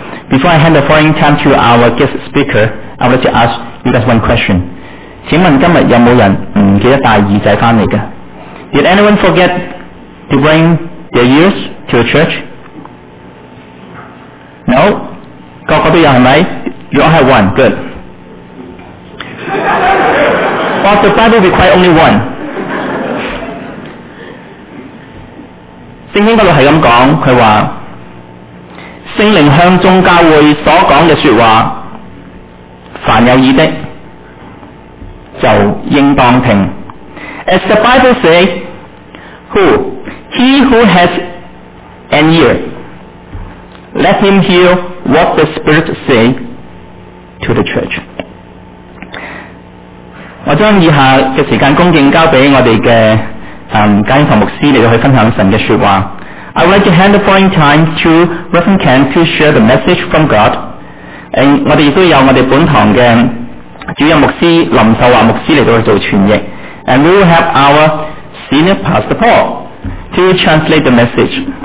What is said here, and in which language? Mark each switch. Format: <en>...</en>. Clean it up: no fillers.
<en>Before I hand the following time to our guest speaker, I would like to ask you guys one question.</en> <zh>请问今天有没有人不记得带耳仔回来的？</zh> <en>Did anyone forget to bring their ears to the church? No?</en> <zh>各个都有是不是？</zh> <en>You all have one, good. But the Bible requires only one.</en> <zh>聖經那裡是這樣說，他說聖靈向眾教會所說的說話，凡有耳的就應當聽。</zh> <en>As the Bible says, who? He who has an ear, let him hear what the Spirit say to the church.</en> <zh>我将以下的时间恭敬交给我们的简耀堂牧师来去分享神的说话。</zh> <en>I would like to hand the following time to Reverend Ken to share the message from God, and</en> <zh>我们也有我们本堂的主任牧师林秀华牧师来做传译。</zh> <en>And we will have our senior pastor Paul to translate the message.</en>